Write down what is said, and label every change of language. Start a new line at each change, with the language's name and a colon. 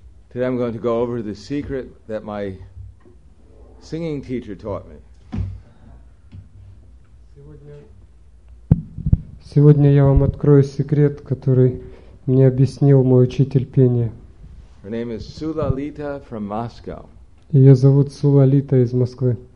English: Today I'm going to go over the secret that my singing teacher taught me.
Russian: Сегодня я вам открою секрет, который мне объяснил мой учитель пения.
English: Her name is Sulalita from Moscow.
Russian: Ее зовут Сулалита из Москвы.